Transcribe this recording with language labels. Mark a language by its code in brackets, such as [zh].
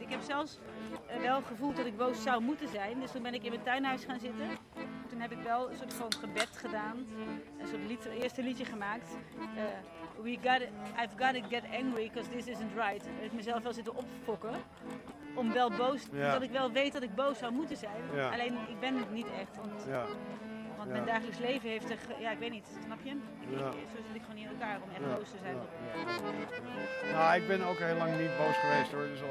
[nl] Ik heb zelfs wel gevoeld dat ik boos zou moeten zijn. Dus toen ben ik in mijn tuinhuis gaan zitten. Toen heb ik wel een soort van gebed gedaan. Een soort eerste liedje gemaakt. [en] I've gotta get angry because this isn't right. [nl] Ik heb mezelf wel zitten opfokken. Om wel boos. Yeah. Dat ik wel weet dat ik boos zou moeten zijn. [en] Yeah. [nl] Alleen ik ben het niet echt. Want mijn dagelijks leven heeft er. Ja, ik weet niet. Snap je? Zo zit ik gewoon niet in elkaar om echt boos te zijn. Nou, ik ben ook heel lang niet boos geweest hoor. Dus al